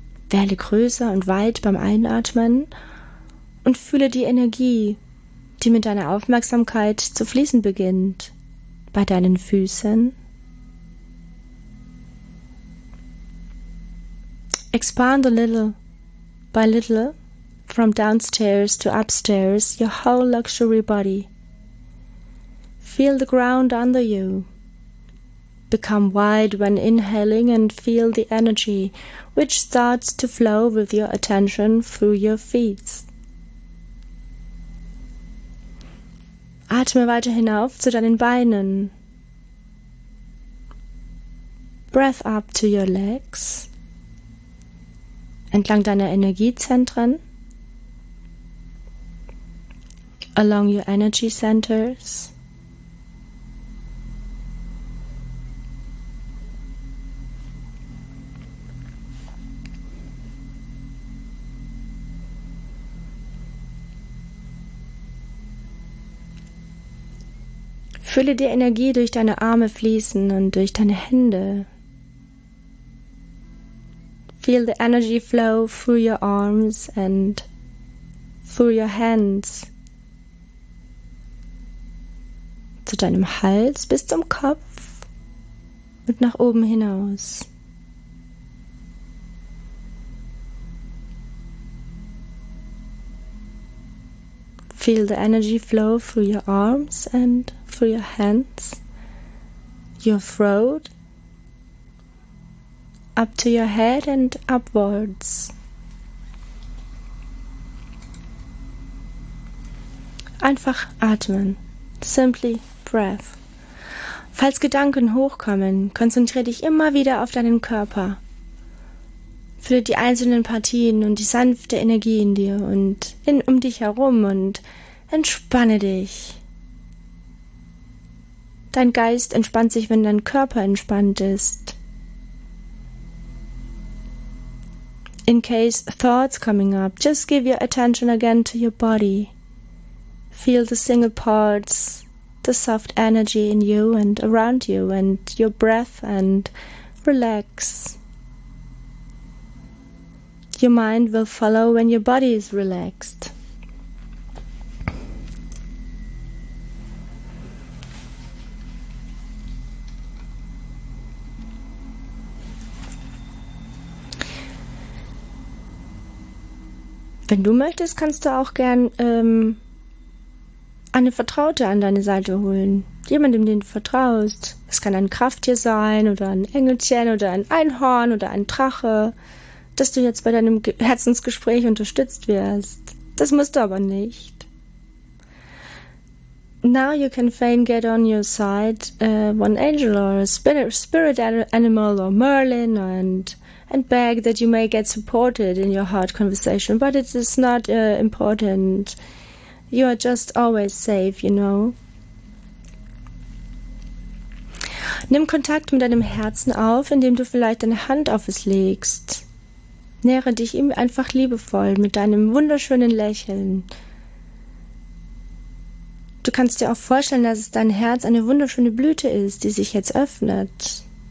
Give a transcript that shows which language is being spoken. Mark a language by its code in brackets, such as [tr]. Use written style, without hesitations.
[de] Werde größer und weit beim Einatmen und fühle die Energie, die mit deiner Aufmerksamkeit zu fließen beginnt, bei deinen Füßen. [en] Expand a little by little. From downstairs to upstairs, your whole luxury body. Feel the ground under you. Become wide when inhaling and feel the energy which starts to flow with your attention through your feet. [de] Atme weiter hinauf zu deinen Beinen. [en] Breath up to your legs. [de] Entlang deiner Energiezentren. [en] Along your energy centers. [de] Fühle die Energie durch deine Arme fließen und durch deine Hände. [en] Feel the energy flow through your arms and through your hands. [de] Zu deinem Hals bis zum Kopf und nach oben hinaus. [en] Feel the energy flow through your arms and through your hands, your throat, up to your head and upwards. [de] Einfach atmen. [en] Simply breath. [de] Falls Gedanken hochkommen, konzentriere dich immer wieder auf deinen Körper. Fühle die einzelnen Partien und die sanfte Energie in dir und um dich herum und entspanne dich. Dein Geist entspannt sich, wenn dein Körper entspannt ist. [en] In case thoughts coming up, just give your attention again to your body. Feel the single parts, the soft energy in you and around you and your breath and relax. Your mind will follow when your body is relaxed. [de] Wenn du möchtest, kannst du auch gern eine Vertraute an deine Seite holen. Jemandem, dem du vertraust. Es kann ein Krafttier sein oder ein Engelchen oder ein Einhorn oder ein Drache, dass du jetzt bei deinem Herzensgespräch unterstützt wirst. Das musst du aber nicht. [en] Now you can fain get on your side one angel or a spirit animal or Merlin and beg that you may get supported in your heart conversation, but it is not important. You are just always safe, you know. [de] Nimm Kontakt mit deinem Herzen auf, indem du vielleicht deine Hand auf es legst. Nähre dich ihm einfach liebevoll mit deinem wunderschönen Lächeln. Du kannst dir auch vorstellen, dass es dein Herz eine wunderschöne Blüte ist, die sich jetzt öffnet.